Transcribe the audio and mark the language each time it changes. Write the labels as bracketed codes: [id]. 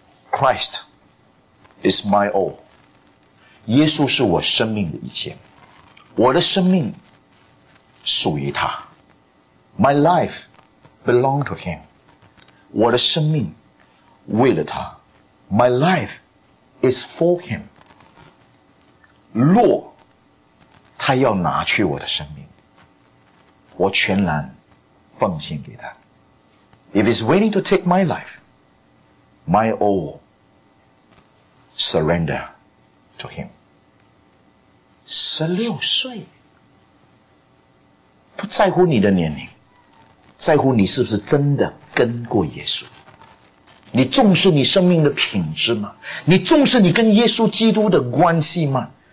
[en] Christ is my all， [zh] 耶稣是我生命的一切，我的生命属于他， [en] My life belong to him， [zh] 我的生命为了他， [en] My life is for him， [zh] 若他要拿去我的生命，我全然奉献给他。 [en] If he's willing to take my life, my all, surrender to him. [zh] 16岁，不在乎你的年龄，在乎你是不是真的跟过耶稣。你重视你生命的品质吗？你重视你跟耶稣基督的关系吗？